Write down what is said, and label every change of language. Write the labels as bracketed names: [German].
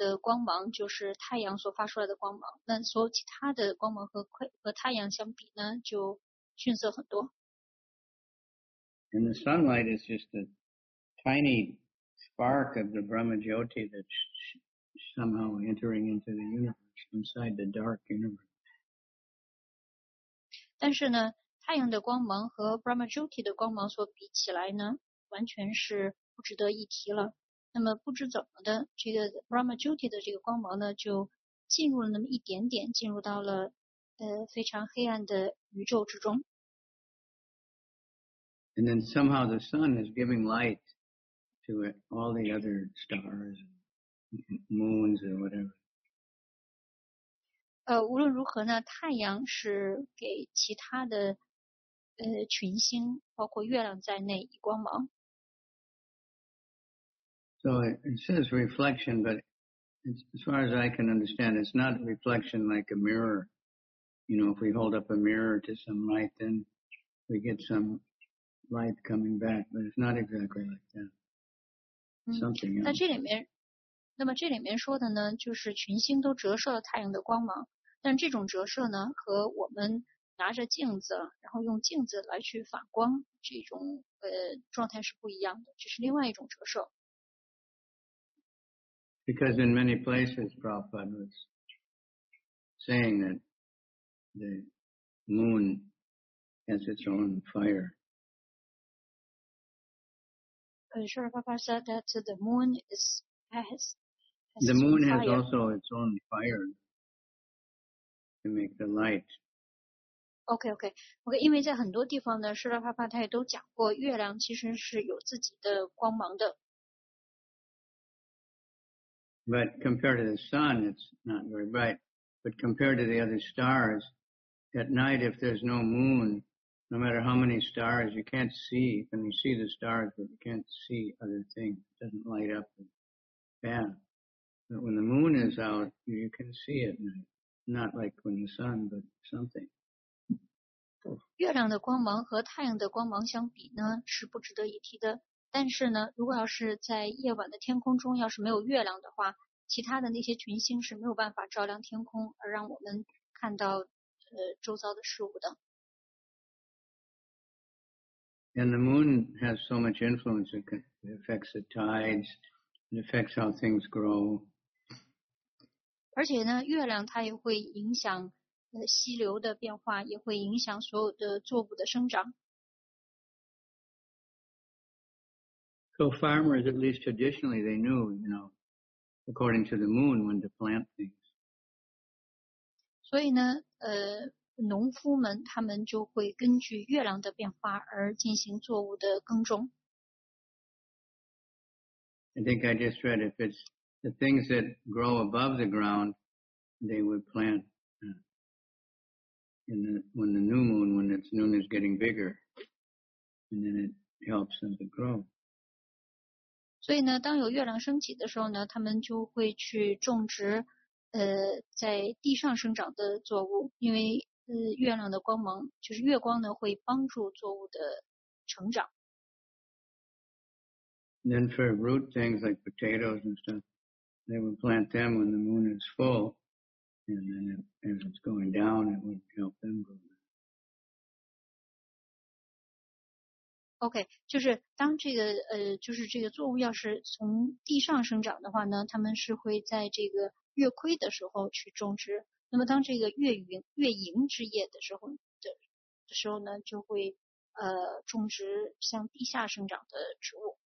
[Chinese] 那我们知道在宇宙中最明亮的光芒就是太阳所发出来的光芒, 那所有其他的光芒和太阳相比呢, 就逊色很多。 [English] And the sunlight is just a tiny spark of the Brahma Jyoti that's somehow entering into the universe, inside the dark universe. [Chinese] 但是呢, 太阳的光芒和 Brahma Jyoti的光芒所比起来呢, 完全是不值得一提了。那么不知怎么的, 这个 Brahma Jyoti的这个光芒呢, 就进入了那么一点点, 进入到了, 非常黑暗的宇宙之中。 [English] And then somehow the sun is giving light to it, all the other stars, moons, or whatever. [Chinese] 无论如何呢，太阳是给其他的群星，包括月亮在内，以光芒。 [English] So it says reflection, but as far as I can understand, it's not a reflection like a mirror. You know, if we hold up a mirror to some light, then we get some light coming back, but it's not exactly like that. Something else. [Chinese] 那这里面，那么这里面说的呢，就是群星都折射了太阳的光芒，但这种折射呢，和我们拿着镜子，然后用镜子来去反光，这种状态是不一样的，这是另外一种折射。 [English] Because in many places, Prabhupada was saying that the moon has its own fire. Sure, Prabhupada said that the moon is, has the moon has also its own fire to make the light. Okay, okay. [Chinese] Okay, 因为在很多地方呢，释迦牟尼佛他也都讲过，月亮其实是有自己的光芒的。 [English] But compared to the sun, it's not very bright. But compared to the other stars, at night, if there's no moon, no matter how many stars, you can't see. And you see the stars, but you can't see other things. It doesn't light up and bad. But when the moon is out, you can see it. Not like when the sun, but something. [Chinese] 月亮的光芒和太阳的光芒相比呢，是不值得一提的。但是呢，如果要是在夜晚的天空中要是没有月亮的话，其他的那些群星是没有办法照亮天空而让我们看到周遭的事物的。 [English] And the moon has so much influence, it affects the tides, it affects how things grow. [Chinese] 而且呢，月亮它也会影响溪流的变化，也会影响所有的作物的生长。 [English] So farmers, at least traditionally, they knew, you know, according to the moon, when to plant things. [Chinese] 所以呢，农夫们他们就会根据月亮的变化而进行作物的耕种。 [English] I think I just read if it's the things that grow above the ground, they would plant when the new moon, when its noon is getting bigger, and then it helps them to grow. [Chinese] 所以呢，当有月亮升起的时候呢，他们就会去种植在地上生长的作物，因为月亮的光芒，就是月光呢，会帮助作物的成长。 [English] And then for root things like potatoes and stuff, they would plant them when the moon is full, and then as it's going down, it would help them grow. [Chinese] OK, 就是当这个就是这个作物要是从地上生长的话呢，他们是会在这个月亏的时候去种植。那么当这个月盈之夜的时候呢，就会种植向地下生长的植物。